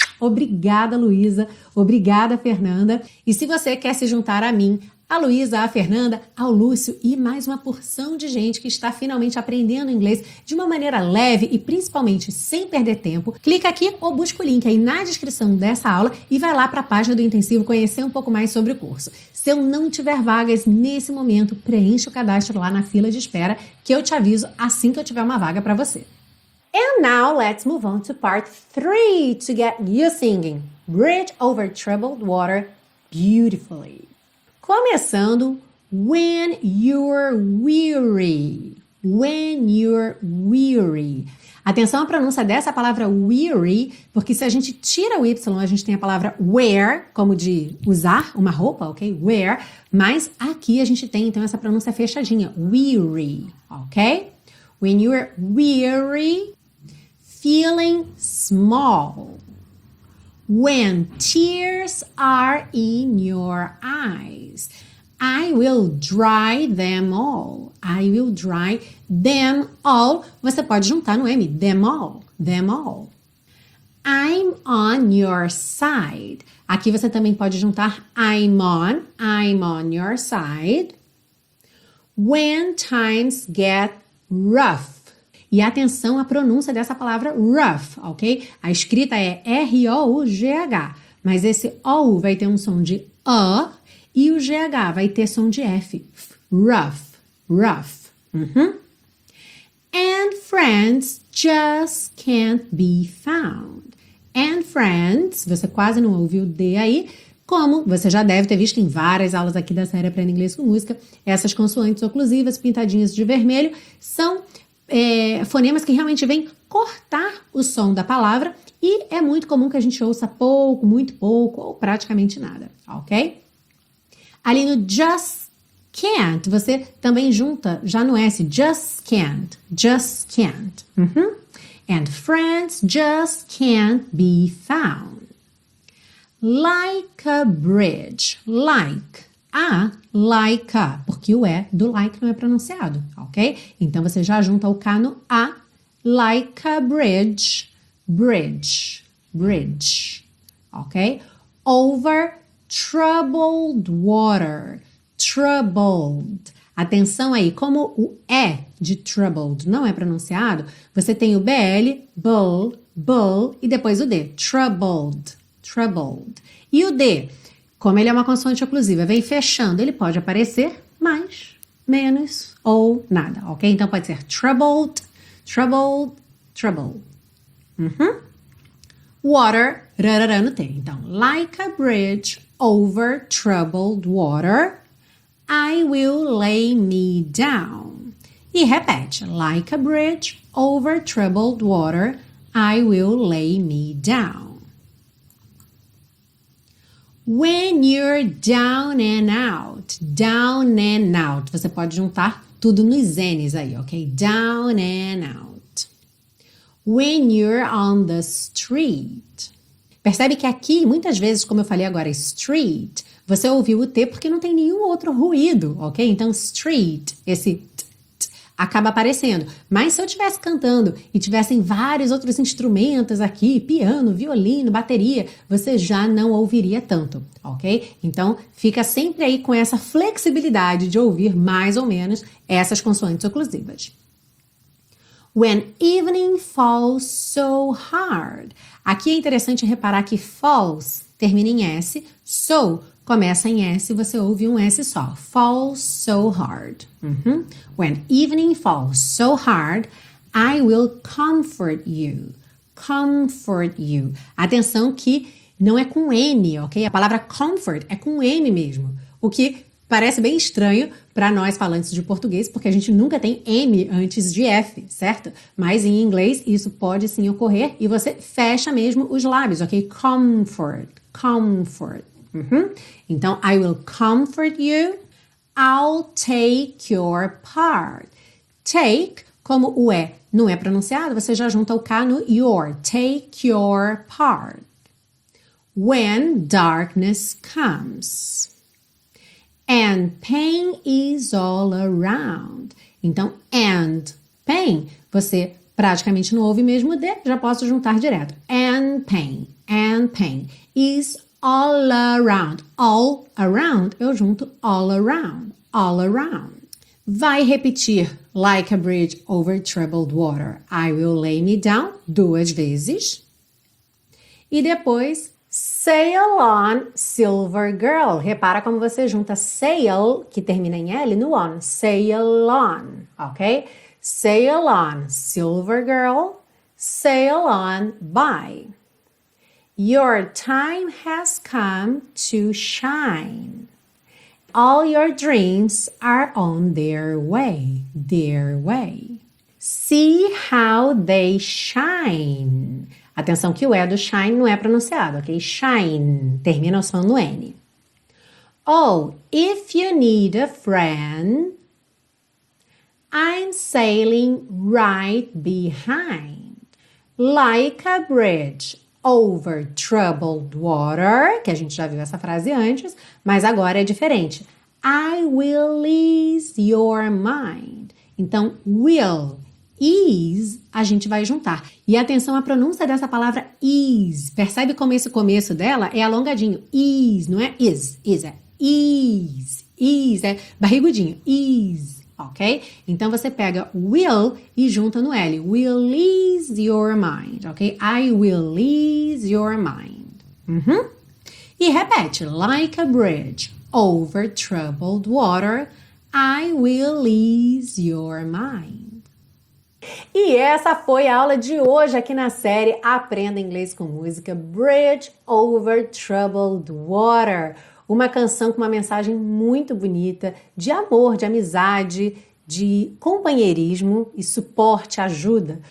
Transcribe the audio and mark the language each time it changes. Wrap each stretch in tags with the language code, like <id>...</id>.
<pt>Obrigada, Luísa. Obrigada, Fernanda. E se você quer se juntar a mim, a Luísa, a Fernanda, ao Lúcio e mais uma porção de gente que está finalmente aprendendo inglês de uma maneira leve e principalmente sem perder tempo, clica aqui ou busca o link aí na descrição dessa aula e vai lá para a página do Intensivo conhecer um pouco mais sobre o curso. Se eu não tiver vagas nesse momento, preencha o cadastro lá na fila de espera que eu te aviso assim que eu tiver uma vaga para você.</pt> <en>And now let's move on to part 3 to get you singing Bridge Over Troubled Water beautifully. Começando, when you're weary, when you're weary.</en> <pt>Atenção à pronúncia dessa palavra weary, porque se a gente tira o Y, a gente tem a palavra wear, como de usar uma roupa, ok? Wear, mas aqui a gente tem então essa pronúncia fechadinha, weary, ok?</pt> <en>When you're weary, feeling small. When tears are in your eyes, I will dry them all. I will dry them all.</en> <pt>Você pode juntar no M,</pt> <en>them all, them all. I'm on your side.</en> <pt>Aqui você também pode juntar</pt> <en>I'm on your side. When times get rough.</en> <pt>E atenção à pronúncia dessa palavra rough, ok? A escrita é R-O-U-G-H, mas esse OU vai ter um som de A e o GH vai ter som de F.</pt> <en>Rough, rough. Uhum. And friends just can't be found. And friends,</en> <pt>você quase não ouviu o D aí, como você já deve ter visto em várias aulas aqui da série Aprenda Inglês com Música, essas consoantes oclusivas pintadinhas de vermelho são fonemas que realmente vêm cortar o som da palavra e é muito comum que a gente ouça pouco, muito pouco ou praticamente nada, ok? Ali no</pt> <en>just can't,</en> <pt>você também junta já no S, just can't, uhum.</pt> <en>And friends just can't be found. Like a bridge, like a, like a,</en> <pt>porque o E do like não é pronunciado, ok? Então você já junta o K no A,</pt> <en>Like a bridge, bridge, bridge. Okay? Over troubled water, troubled.</en> <pt>Atenção aí, como o E de troubled não é pronunciado, você tem o BL, bull, bull, e depois o D, troubled, troubled. E o D, como ele é uma consoante oclusiva, vem fechando, ele pode aparecer mais, menos ou nada, ok? Então pode ser troubled, troubled, troubled. Uhum. Water, rarara no T.</pt> <en>Então, like a bridge over troubled water, I will lay me down. E repete, like a bridge over troubled water, I will lay me down. When you're down and out, down and out.</en> <pt>Você pode juntar tudo nos N's aí, ok?</pt> <en>Down and out. When you're on the street.</en> <pt>Percebe que aqui, muitas vezes, como eu falei agora, street, você ouviu o T porque não tem nenhum outro ruído, ok? Então, street, esse t, t, acaba aparecendo. Mas se eu estivesse cantando e tivessem vários outros instrumentos aqui, piano, violino, bateria, você já não ouviria tanto, ok? Então, fica sempre aí com essa flexibilidade de ouvir mais ou menos essas consoantes oclusivas.</pt> <en>When evening falls so hard.</en> <pt>Aqui é interessante reparar que falls termina em S, so começa em S e você ouve um S só.</pt> <en>Falls so hard. Uhum. When evening falls so hard, I will comfort you. Comfort you.</en> <pt>Atenção que não é com N, ok? A palavra comfort é com M mesmo. O que parece bem estranho para nós falantes de português, porque a gente nunca tem M antes de F, certo? Mas em inglês isso pode sim ocorrer e você fecha mesmo os lábios, ok?</pt> <en>Comfort, comfort. Uhum. Então, I will comfort you, I'll take your part.</en> <pt>Take, como o E não é pronunciado, você já junta o K no your,</pt> <en>take your part. When darkness comes. And pain is all around.</en> <pt>Então,</pt> <en>and pain,</en> <pt>você praticamente não ouve mesmo o D, já posso juntar direto.</pt> <en>And pain is all around. All around,</en> <pt>eu junto</pt> <en>all around, all around.</en> <pt>Vai repetir,</pt> <en>like a bridge over troubled water, I will lay me down,</en> <pt>duas vezes. E depois,</pt> <en>sail on, silver girl.</en> <pt>Repara como você junta sail, que termina em L, no on.</pt> <en>Sail on, ok? Sail on, silver girl. Sail on, bye. Your time has come to shine. All your dreams are on their way, their way. See how they shine.</en> <pt>Atenção que o E do shine não é pronunciado, ok? Shine, termina o som no N.</pt> <en>Oh, if you need a friend, I'm sailing right behind. Like a bridge over troubled water,</en> <pt>que a gente já viu essa frase antes, mas agora é diferente.</pt> <en>I will ease your mind.</en> <pt>Então, will. Ease, a gente vai juntar. E atenção à pronúncia dessa palavra ease. Percebe como esse começo dela é alongadinho. Ease, não é is, is, é ease. Ease, é barrigudinho. Ease, ok? Então, você pega will e junta no L.</pt> <en>Will ease your mind, ok? I will ease your mind. Uhum.</en> <pt>E repete.</pt> <en>Like a bridge over troubled water, I will ease your mind.</en> <pt>E essa foi a aula de hoje aqui na série Aprenda Inglês com Música, Bridge Over Troubled Water. Uma canção com uma mensagem muito bonita de amor, de amizade, de companheirismo e suporte, ajuda.</pt>